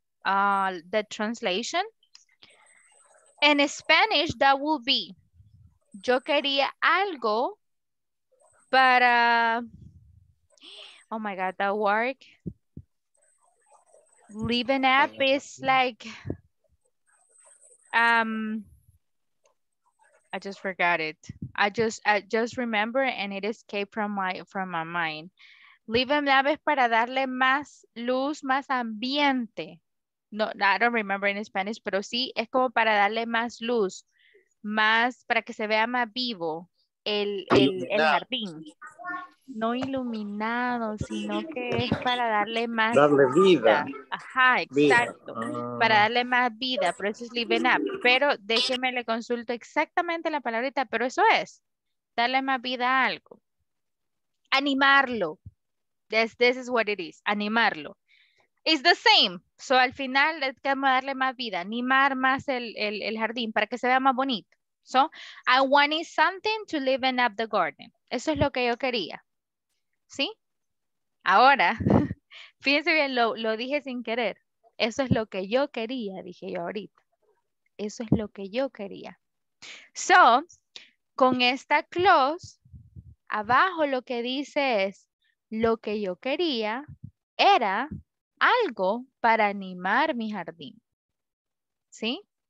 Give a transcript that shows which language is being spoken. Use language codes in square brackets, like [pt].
[en] The translation. In Spanish, that will be, [es] yo quería algo para, [en] oh my God, that work. Living up is like, I just forgot it. I just remember and it escaped from my mind. [es] Living up es para darle más luz, más ambiente. [en] No, I don't remember in Spanish, [es] pero sí, es como para darle más luz, más, para que se vea más vivo el jardín. No iluminado, sino que es para darle más darle vida. Ajá, exacto. Para darle más vida, por eso es living up. Pero déjeme le consulto exactamente la palabrita, pero eso es, darle más vida a algo. Animarlo. [en] This is what it is, animarlo. It's the same. [es] So al final, [en] let's get to [es] darle más vida, animar más el jardín para que se vea más bonito. [en] So I wanted something to liven up the garden. [es] Eso es lo que yo quería. ¿Sí? Ahora, fíjense bien, lo dije sin querer. Eso es lo que yo quería, dije yo ahorita. Eso es lo que yo quería. So, con esta clause, abajo lo que dice es, lo que yo quería era algo para animar mi jardín. ¿Sí?